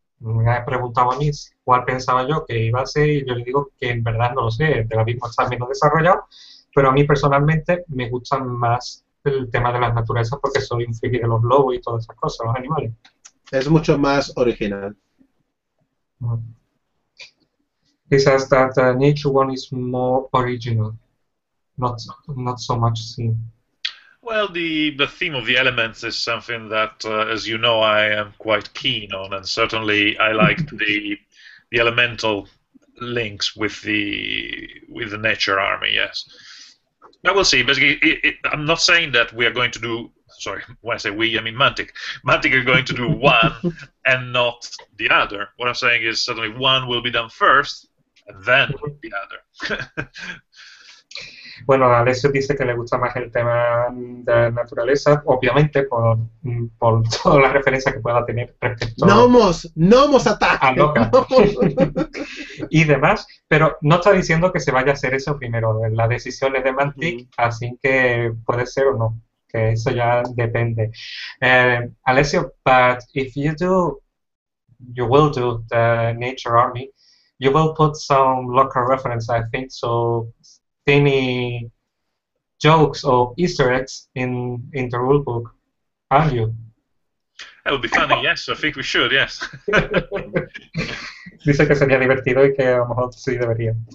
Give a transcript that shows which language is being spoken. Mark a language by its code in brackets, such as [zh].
[es] Me ha preguntado a mí cuál pensaba yo que iba a ser, y yo le digo que en verdad no lo sé, el de la misma está menos desarrollado, pero a mí personalmente me gusta más el tema de las naturalezas, porque soy un friki de los lobos y todas esas cosas, los animales. Es mucho más original. [en] He says that the nature one is more original, not so much seen. Well, the theme of the elements is something that, as you know, I am quite keen on, and certainly I like the elemental links with the nature army. Yes, but we'll see. Basically, I'm not saying that we are going to do. Sorry, when I say we, I mean Mantic. Mantic are going to do one and not the other. What I'm saying is certainly one will be done first, and then the other. [es] Bueno, Alessio dice que le gusta más el tema de la naturaleza, obviamente por todas las referencias que pueda tener respecto ¡Gnomos! ¡Gnomos a ataque! Loca ¡Gnomos! y demás, pero no está diciendo que se vaya a hacer eso primero. La decisión es de Mantic, así que puede ser o no, que eso ya depende. [en] Alessio, but if you do, you will do the Nature Army, you will put some local reference, I think, so any jokes or Easter eggs in the rule book, aren't you? That would be funny, yes, I think we should, yes. [es] Dice que sería divertido y que a lo mejor sí debería.